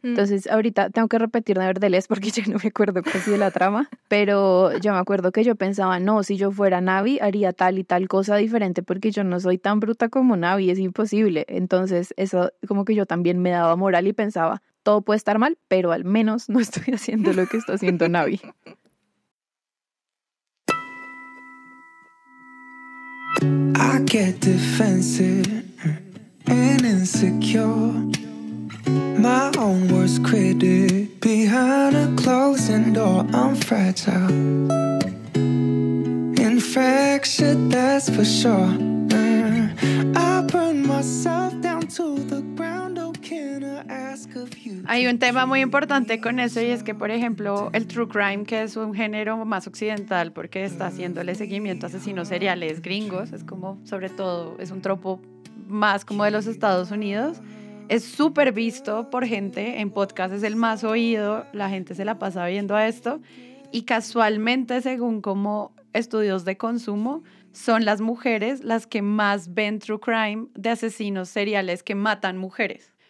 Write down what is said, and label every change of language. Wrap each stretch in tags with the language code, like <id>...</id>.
<es>Entonces ahorita tengo que repetir Never the Less porque ya no me acuerdo casi de la trama, pero yo me acuerdo que yo pensaba, no, si yo fuera Navi haría tal y tal cosa diferente porque yo no soy tan bruta como Navi, es imposible. Entonces eso como que yo también me daba moral y pensaba, todo puede estar mal, pero al menos no estoy haciendo lo que está haciendo Navi.</es> <en>I get defensive and insecure. My own worst critic behind a closing door. I'm fragile. Infected, that's for sure. I burn myself down to the ground. Oh, can I ask of you?</en> <es>Hay un tema muy importante con eso y es que, por ejemplo, el true crime, que es un género más occidental porque está haciéndole seguimiento a asesinos seriales gringos, es como, sobre todo, es un tropo más como de los Estados Unidos, es súper visto por gente, en podcast es el más oído, la gente se la pasa viendo a esto y casualmente, según como estudios de consumo, son las mujeres las que más ven true crime de asesinos seriales que matan mujeres.</es>